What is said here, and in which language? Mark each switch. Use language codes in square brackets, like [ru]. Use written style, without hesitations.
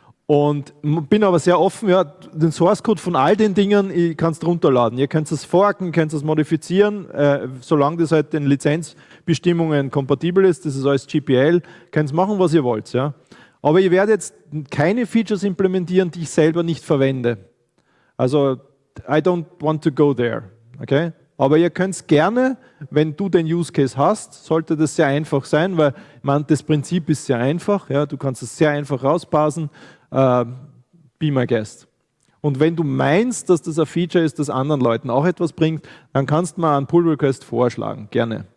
[de] Und bin aber sehr offen, ja, den Source Code von all den Dingen, ich kann es runterladen. Ihr könnt es forken, könnt es modifizieren, solange das halt den Lizenzbestimmungen kompatibel ist, das ist alles GPL, könnt es machen, was ihr wollt. Ja. Aber ich werde jetzt keine Features implementieren, die ich selber nicht verwende. [en] Also, I don't want to go there. Okay? [de] Aber ihr könnt es gerne, wenn du den Use Case hast, sollte das sehr einfach sein, weil ich meine, das Prinzip ist sehr einfach, ja, du kannst es sehr einfach rausparsen. [en] Be my guest. [de] Und wenn du meinst, dass das ein Feature ist, das anderen Leuten auch etwas bringt, dann kannst du mal einen Pull-Request vorschlagen. Gerne.